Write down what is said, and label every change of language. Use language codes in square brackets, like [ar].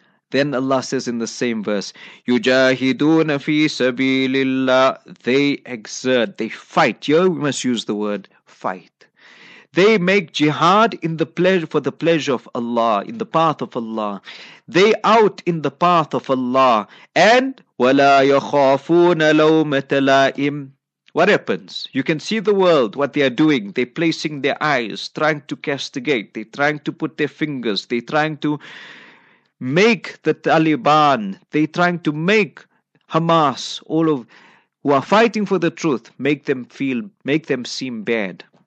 [en] Then Allah says in the same verse, [ar] يُجَاهِدُونَ فِي سَبِيلِ اللَّهِ. [en] They exert, they fight. Here we must use the word fight. They make jihad in the pleasure, for the pleasure of Allah, in the path of Allah. They out in the path of Allah. And [ar] وَلَا يَخَافُونَ لَوْمَةَ لَائِمٍ. [en] What happens? You can see the world, what they are doing. They're placing their eyes, trying to castigate. They're trying to put their fingers. They're trying to make the Taliban. They're trying to make Hamas, all of who are fighting for the truth, make them seem bad.